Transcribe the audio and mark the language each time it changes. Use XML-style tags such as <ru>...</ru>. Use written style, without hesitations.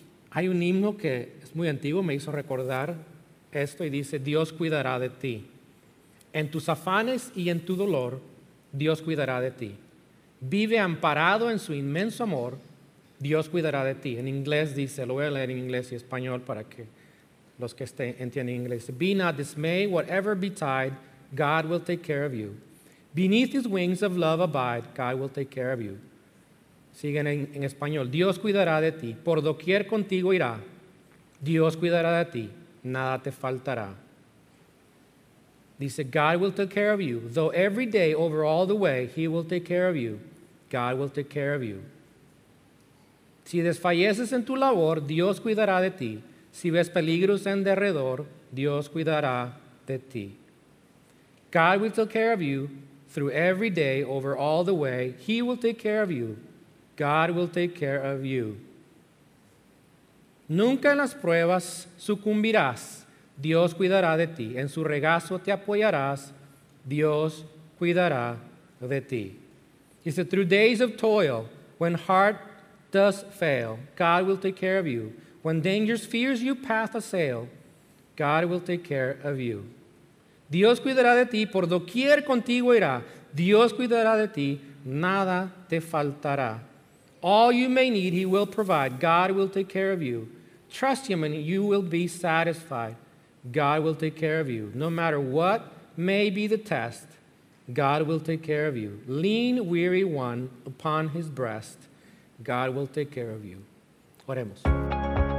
<es>Hay un himno que es muy antiguo, me hizo recordar esto y dice, Dios cuidará de ti. En tus afanes y en tu dolor, Dios cuidará de ti. Vive amparado en su inmenso amor, Dios cuidará de ti. En inglés dice, lo voy a leer en inglés y español para que los que entienden inglés.</es> <en>Be not dismayed, whatever betide, God will take care of you. Beneath his wings of love abide, God will take care of you.</en> <es>Siguen en español. Dios cuidará de ti. Por doquier contigo irá. Dios cuidará de ti. Nada te faltará. Dice,</es> <en>God will take care of you. Though every day over all the way, he will take care of you. God will take care of you.</en> <es>Si desfalleces en tu labor, Dios cuidará de ti. Si ves peligros en derredor, Dios cuidará de ti.</es> <en>God will take care of you through every day, over all the way. He will take care of you. God will take care of you.</en> <es>Nunca en las pruebas sucumbirás. Dios cuidará de ti. En su regazo te apoyarás. Dios cuidará de ti.</es> <en>He said, through days of toil, when heart does fail, God will take care of you. When dangers fears you path assail, God will take care of you.</en> <es>Dios cuidará de ti, por doquier contigo irá. Dios cuidará de ti, nada te faltará.</es> <en>All you may need, he will provide. God will take care of you. Trust him and you will be satisfied. God will take care of you. No matter what may be the test, God will take care of you. Lean, weary one, upon his breast, God will take care of you.</en> <es>Oremos.</es>